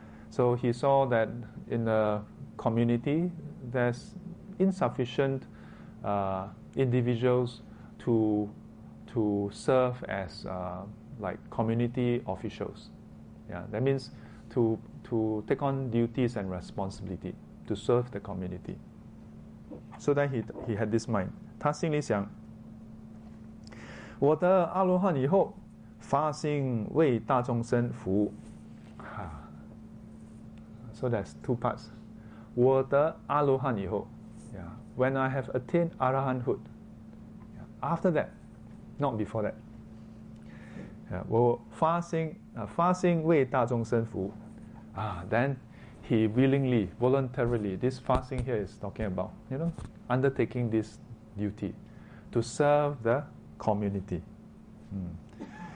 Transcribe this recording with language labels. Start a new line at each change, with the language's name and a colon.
English: So he saw that in the community, there's insufficient individuals to serve as like community officials. Yeah, that means to take on duties and responsibility to serve the community. So then he had this mind.
Chinese: 他心里想, 我得阿罗汉以后发心为大众生服务.
English: So that's two parts. 我得阿罗汉以后, yeah, when I have attained arahanthood, yeah, after that, not before that.
Chinese: Yeah, 我发心为大众生服务.
English: Then he willingly, voluntarily, this fasting here is talking about, you know, undertaking this duty to serve the community. Mm.